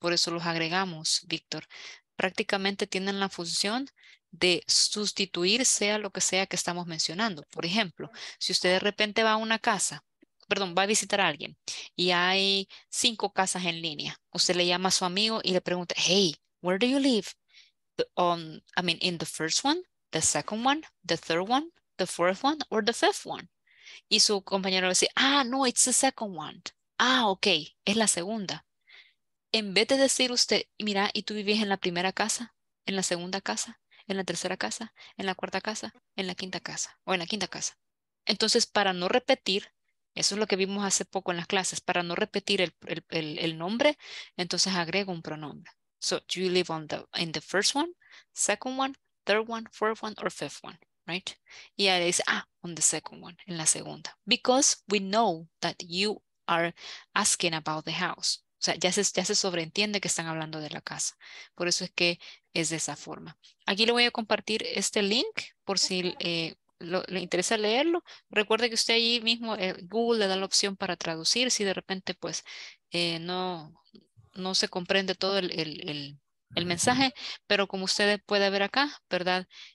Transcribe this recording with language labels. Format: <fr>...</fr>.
<es>Por eso los agregamos, Víctor. Prácticamente tienen la función de sustituir sea lo que sea que estamos mencionando. Por ejemplo, si usted de repente va a una casa, perdón, va a visitar a alguien y hay 5 casas en línea. Usted le llama a su amigo y le pregunta,</es> <en>hey, where do you live? In the first one, the second one, the third one, the fourth one, or the fifth one?</en> <es>Y su compañero dice, ah, no,</es> <en>it's the second one.</en> <es>Ah, ok, es la segunda. En vez de decir usted, mira, ¿y tú vivís en la primera casa? ¿En la segunda casa? ¿En la tercera casa? ¿En la cuarta casa? ¿En la quinta casa? ¿O en la quinta casa? Entonces, para no repetir, eso es lo que vimos hace poco en las clases, para no repetir el nombre, entonces agrego un pronombre.</es> <en>So, do you live in the first one, second one, third one, fourth one, or fifth one? Right?</en> <es>Y ahí dice, ah,</es> <en>on the second one,</en> <es>en la segunda.</es> <en>Because we know that you are asking about the house.</en> <es>O sea, ya se sobreentiende que están hablando de la casa. Por eso es que es de esa forma. Aquí le voy a compartir este link por si le interesa leerlo. Recuerde que usted ahí mismo, Google le da la opción para traducir. Si de repente, pues, no se comprende todo el mensaje, pero como ustedes pueden ver acá, ¿verdad?</es>